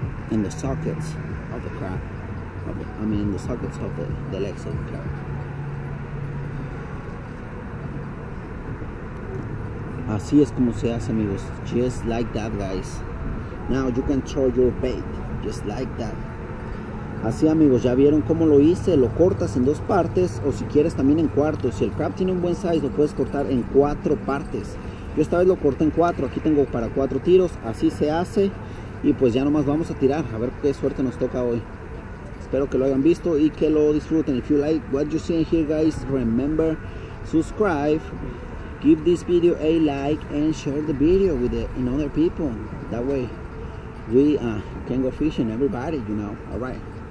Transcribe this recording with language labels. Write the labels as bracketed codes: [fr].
[en] In the sockets of the crab, the sockets of the legs of the crab. [es] Así es como se hace, amigos. [en] Just like that, guys. Now you can throw your bait, just like that. [es] Así, amigos, ya vieron cómo lo hice. Lo cortas en dos partes, o si quieres también en cuartos. Si el crab tiene un buen size, lo puedes cortar en cuatro partes. Yo esta vez lo corté en cuatro. Aquí tengo para cuatro tiros. Así se hace. Y pues ya nomás vamos a tirar, a ver qué suerte nos toca hoy. Espero que lo hayan visto y que lo disfruten. [en] If you like what you see here, guys, remember, subscribe, give this video a like, and share the video with other people. That way, we can go fishing, everybody, you know. All right.